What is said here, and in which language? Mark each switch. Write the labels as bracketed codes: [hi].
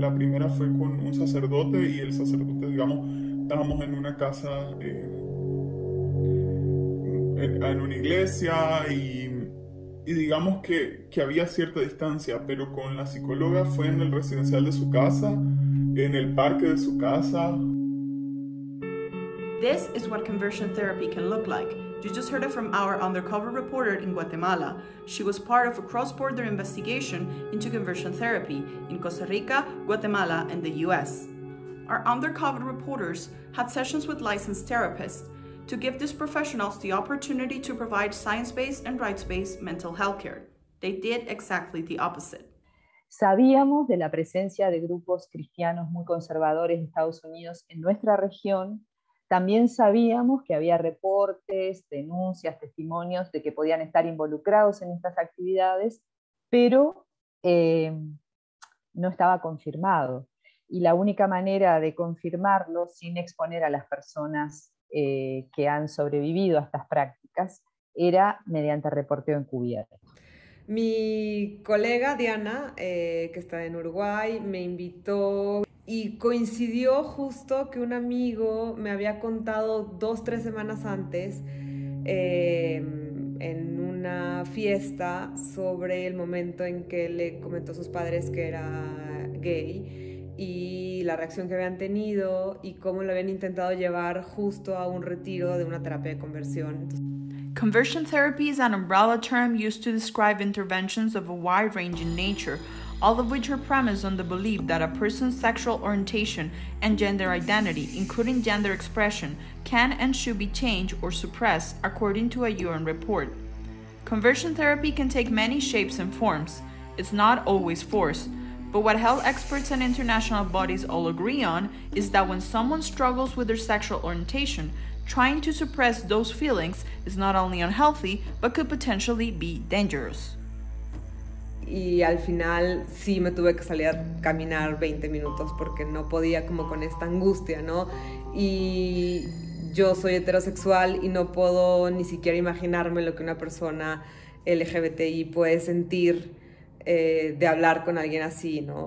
[es] La primera fue con un sacerdote y el sacerdote, digamos, estábamos en una casa, en una iglesia y digamos que había cierta distancia, pero con la psicóloga fue en el residencial de su casa, en el parque de su casa. [en] This is what conversion therapy can look like. You just heard it from our undercover reporter in Guatemala. She was part of a cross-border investigation into conversion therapy in Costa Rica, Guatemala, and the US. Our undercover reporters had sessions with licensed therapists to give these professionals the opportunity to provide science-based and rights-based mental health care. They did exactly the opposite. [es] Sabíamos de la presencia de grupos cristianos muy conservadores en Estados Unidos en nuestra región. También sabíamos que había reportes, denuncias, testimonios de que podían estar involucrados en estas actividades, pero no estaba confirmado. Y la única manera de confirmarlo sin exponer a las personas que han sobrevivido a estas prácticas era mediante reporteo encubierto. Mi colega Diana, que está en Uruguay, me invitó. Y coincidió justo que un amigo me había contado 2-3 semanas antes en una fiesta sobre el momento en que le comentó a sus padres que era gay y la reacción que habían tenido y cómo lo habían intentado llevar justo a un retiro de una terapia de conversión. [en] Conversion therapy is an umbrella term used to describe interventions of a wide range in nature, all of which are premised on the belief that a person's sexual orientation and gender identity, including gender expression, can and should be changed or suppressed according to a UN report. Conversion therapy can take many shapes and forms. It's not always forced. But what health experts and international bodies all agree on is that when someone struggles with their sexual orientation, trying to suppress those feelings is not only unhealthy, but could potentially be dangerous. [es] Y al final sí me tuve que salir a caminar 20 minutos porque no podía como con esta angustia, ¿no? Y yo soy heterosexual y no puedo ni siquiera imaginarme lo que una persona LGBTI puede sentir de hablar con alguien así, ¿no?